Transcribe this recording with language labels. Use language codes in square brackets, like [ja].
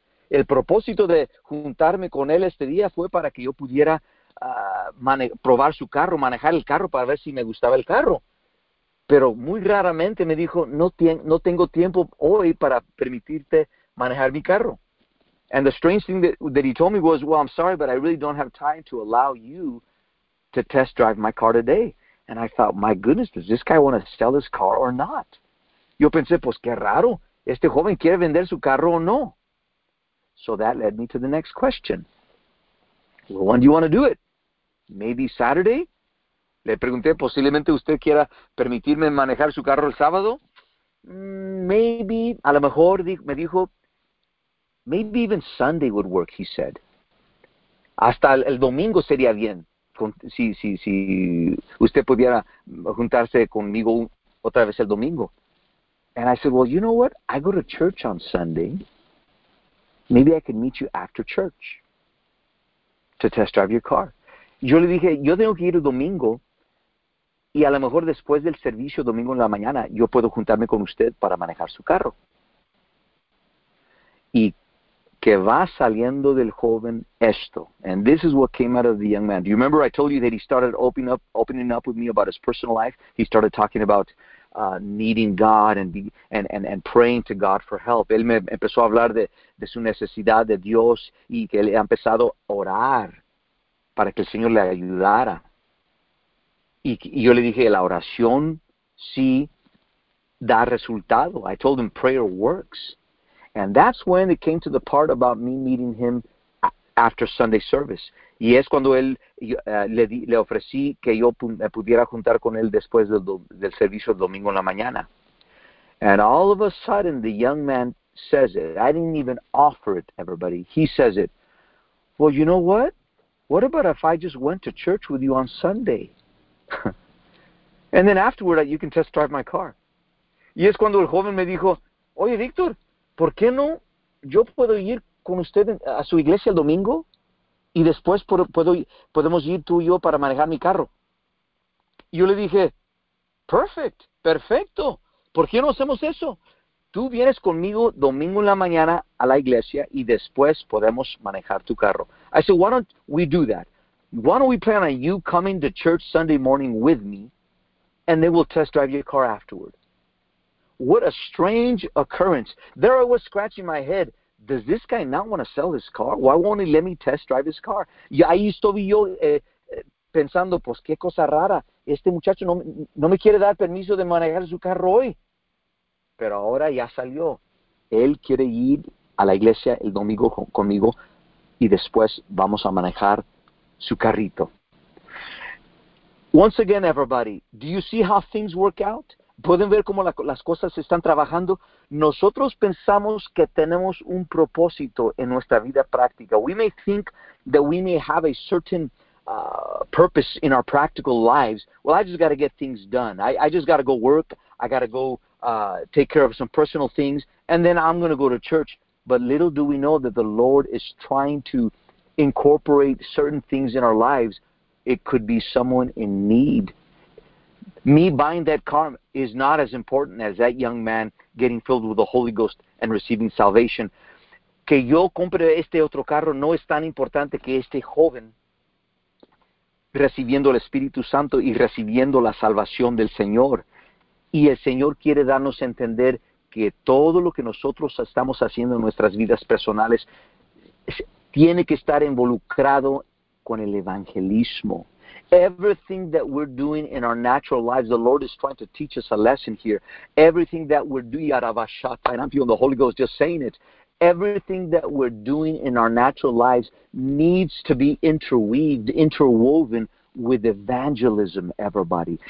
[es] El propósito de juntarme con él este día fue para que yo pudiera probar su carro, manejar el carro para ver si me gustaba el carro. Pero muy raramente me dijo, no tengo tiempo hoy para permitirte manejar mi carro. [en] And the strange thing that he told me was, well, I'm sorry, but I really don't have time to allow you to test drive my car today. And I thought, my goodness, does this guy want to sell his car or not? [es] Yo pensé, pues qué raro, este joven quiere vender su carro o no. [en] So that led me to the next question. Well, when do you want to do it? Maybe Saturday? [es] Le pregunté, posiblemente usted quiera permitirme manejar su carro el sábado? [en] Maybe, [es] a lo mejor, me dijo, [en] maybe even Sunday would work, he said. [es] Hasta el domingo sería bien, si usted pudiera juntarse conmigo otra vez el domingo. [en] And I said, well, you know what? I go to church on Sunday. Maybe I can meet you after church to test drive your car. [es] Yo le dije, yo tengo que ir el domingo y a lo mejor después del servicio domingo en la mañana yo puedo juntarme con usted para manejar su carro. Y que va saliendo del joven esto. [en] And this is what came out of the young man. Do you remember I told you that he started opening up with me about his personal life? He started talking about needing God and praying to God for help. [es] Él me empezó a hablar de su necesidad de Dios y que él ha empezado a orar para que el Señor le ayudara. Y yo le dije, la oración sí da resultado. [en] I told him prayer works. And that's when it came to the part about me meeting him after Sunday service. [es] Y es cuando él le ofrecí que yo me pudiera juntar con él después del servicio del domingo en la mañana. [en] And all of a sudden, the young man says it. I didn't even offer it to everybody. He says it. Well, you know what? What about if I just went to church with you on Sunday? And then afterward, you can test drive my car. [es] Y es cuando el joven me dijo, oye, Víctor, ¿por qué no yo puedo ir con usted a su iglesia el domingo? Y después podemos ir tú y yo para manejar mi carro. Yo le dije, perfect, perfecto. ¿Por qué no hacemos eso? Tú vienes conmigo domingo en la mañana a la iglesia y después podemos manejar tu carro. [en] I said, why don't we do that? Why don't we plan on you coming to church Sunday morning with me and then we'll test drive your car afterward. What a strange occurrence. There I was scratching my head. Does this guy not want to sell his car? Why won't he let me test drive his car? [es] Y ahí estuve yo pensando, pues qué cosa rara. Este muchacho no me quiere dar permiso de manejar su carro hoy. Pero ahora ya salió. Él quiere ir a la iglesia el domingo conmigo y después vamos a manejar su carrito. [en] Once again, everybody, do you see how things work out? [es] ¿Pueden ver cómo las cosas están trabajando? Nosotros pensamos que tenemos un propósito en nuestra vida práctica. [en] We may think that we may have a certain purpose in our practical lives. Well, I just got to get things done. I just got to go work. I got to go take care of some personal things. And then I'm going to go to church. But little do we know that the Lord is trying to incorporate certain things in our lives. It could be someone in need. Me buying that car is not as important as that young man getting filled with the Holy Ghost and receiving salvation. Que yo compre este otro carro no es tan importante que este joven recibiendo el Espíritu Santo y recibiendo la salvación del Señor. Y el Señor quiere darnos a entender que todo lo que nosotros estamos haciendo en nuestras vidas personales tiene que estar involucrado con el evangelismo. Everything that we're doing in our natural lives, the Lord is trying to teach us a lesson here. Everything that we're doing, and I'm feeling the Holy Ghost just saying it. Everything that we're doing in our natural lives needs to be interweaved, interwoven with evangelism, everybody.